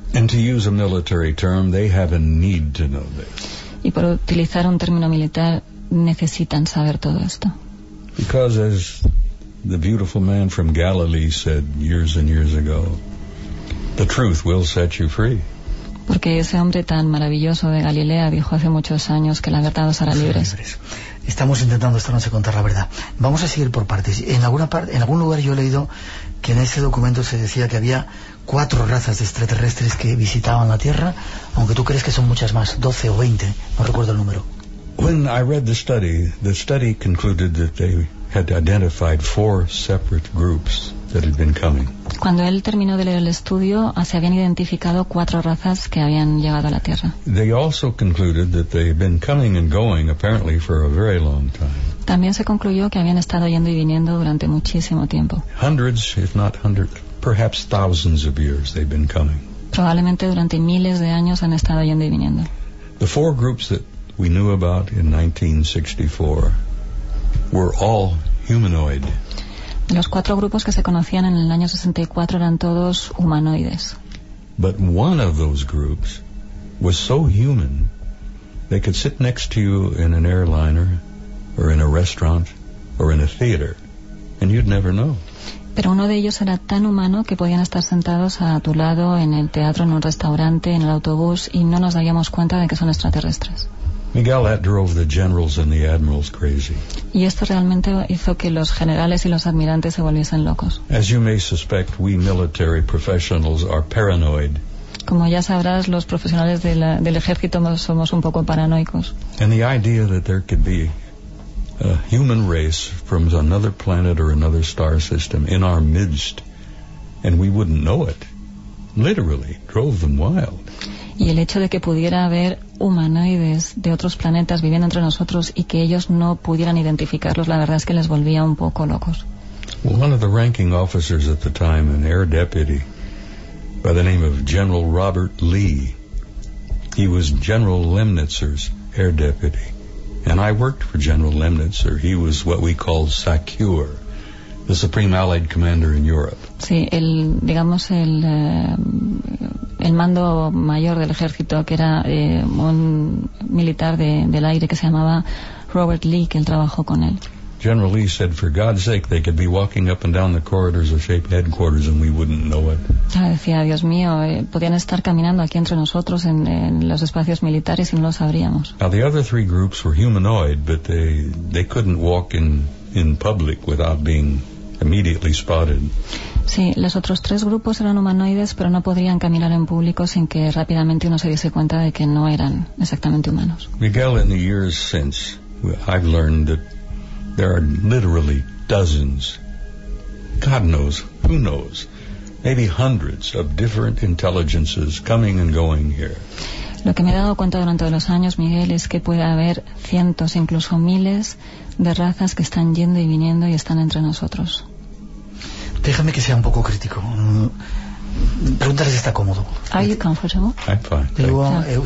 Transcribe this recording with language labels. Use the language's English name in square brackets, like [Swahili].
[English] And to use a military term, they have a need to know this. [Spanish] Y por utilizar un término militar, necesitan saber todo esto. [English] Because as the beautiful man from Galilee said years and years ago, the truth will set you free. [Spanish] Porque ese hombre tan maravilloso de Galilea dijo hace muchos años que la verdad os hará libres. Estamos intentando esta noche contar la verdad. Vamos a seguir por partes. En algún lugar yo he leído que en ese documento se decía que había cuatro razas de extraterrestres que visitaban la Tierra, aunque tú crees que son muchas más, 12 o 20, no recuerdo el número. [English] When I read the study concluded that they had identified four separate groups that had been coming. [Spanish] Cuando él terminó de leer el estudio, se habían identificado cuatro razas que habían llegado a la Tierra. [English] They also concluded that they'd been coming and going apparently for a very long time. [Spanish] También se concluyó que habían estado yendo y viniendo durante muchísimo tiempo. [English] Hundreds, if not hundreds, perhaps thousands of years they've been coming. [Spanish] Probablemente durante miles de años han estado yendo y viniendo. [English] The four groups that we knew about in 1964 were all humanoid. [Spanish] Los cuatro grupos que se conocían en el año 64 eran todos humanoides. [English] But one of those groups was so human they could sit next to you in an airliner or in a restaurant or in a theater and you'd never know. [Spanish] Pero uno de ellos era tan humano que podían estar sentados a tu lado en el teatro, en un restaurante, en el autobús y no nos daríamos cuenta de que son extraterrestres. [English] Miguel, that drove the generals and the admirals crazy. [Spanish] Y esto realmente hizo que los generales y los admirantes se volviesen locos. [English] As you may suspect, we military professionals are paranoid. [Spanish] Como ya sabrás, los profesionales de del ejército somos un poco paranoicos. [English] And the idea that there could be a human race from another planet or another star system in our midst and we wouldn't know it literally drove them wild. [Spanish] Y el hecho de que pudiera haber humanoides de otros planetas viviendo entre nosotros y que ellos no pudieran identificarlos, la verdad es que les volvía un poco locos. [English] Well, one of the ranking officers at the time, an air deputy by the name of General Robert Lee, he was General Lemnitzer's air deputy, and I worked for General Lemnitzer. He was what we call SACUR, the Supreme Allied Commander in Europe. [Spanish] Sí, el, digamos, el mando mayor del ejército, que era un militar del aire que se llamaba Robert Lee, que él trabajó con él. [English] General Lee said, for God's sake, they could be walking up and down the corridors of SHAPE headquarters and we wouldn't know it. [Spanish] Ah, decía, Dios mío, podían estar caminando aquí entre nosotros en los espacios militares y no lo sabríamos. [English] Now, the other three groups were humanoid, but they couldn't walk in public without being immediately spotted. [Spanish] Sí, los otros tres grupos eran humanoides, pero no podrían caminar en público sin que rápidamente uno se diese cuenta de que no eran exactamente humanos. [English] Miguel, in the years since, I've learned that there are literally dozens, God knows, who knows, maybe hundreds of different intelligences coming and going here. [Spanish] Lo que me he dado cuenta durante los años, Miguel, es que puede haber cientos, incluso miles de razas que están yendo y viniendo y están entre nosotros. Déjame que sea un poco crítico. Pregúntale si está cómodo. [English] Are you comfortable? I'm fine.